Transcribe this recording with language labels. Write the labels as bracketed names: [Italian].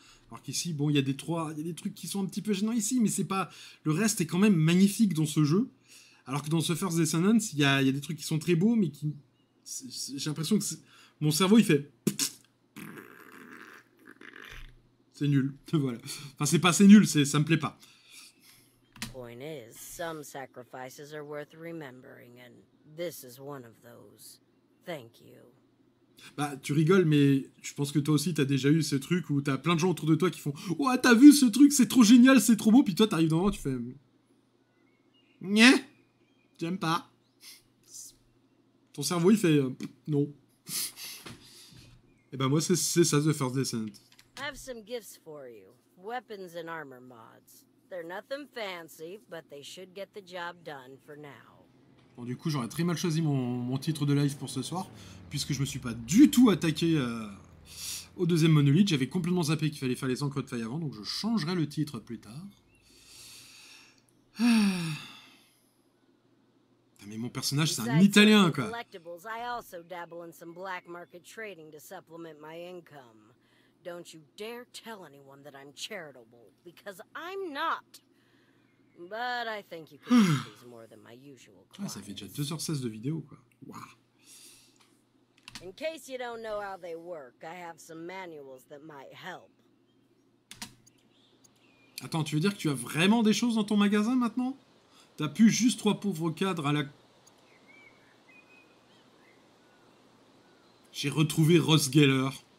[French] Alors qu'ici, bon, il y a des trucs qui sont un petit peu gênants ici, mais c'est pas... Le reste est quand même magnifique dans ce jeu, alors que dans The First Descendant, il y a des trucs qui sont très beaux, mais qui... J'ai l'impression que mon cerveau, il fait... C'est nul, voilà. Enfin, c'est pas assez nul, ça me plaît pas. [English] Point is, some sacrifices are worth remembering, and this is one of those. Thank you. [French] Bah, tu rigoles, mais je pense que toi aussi, t'as déjà eu ce truc où t'as plein de gens autour de toi qui font « Ouah, t'as vu ce truc, c'est trop génial, c'est trop beau », puis toi, t'arrives dans le monde, tu fais « Nyeh, j'aime pas ». Ton cerveau, il fait « Non ». Et bah, moi, c'est ça, The First Descent. [English] « I've some gifts for you. Weapons and armor mods. They're nothing fancy, but they should get the job done for now. » [French] Bon, du coup, j'aurais très mal choisi mon titre de live pour ce soir, puisque je me suis pas du tout attaqué au deuxième monolithe. J'avais complètement zappé qu'il fallait faire les encres de faille avant, donc je changerai le titre plus tard. Ah. Mais mon personnage, c'est un Italien, quoi. [English] Collectibles, I also dabble in some black market trading to supplement my income. Don't you dare tell anyone that I'm charitable, because I'm not. But I think you could use more than my usual clients. [French] Ah, ça fait déjà 2h16 de vidéo, quoi. Wow. [English] In case you don't know how they work, I have some manuals that might help. [French] Attends, tu veux dire que tu as vraiment des choses dans ton magasin maintenant? T'as plus juste 3 pauvres cadres à la... J'ai retrouvé Ross Geller.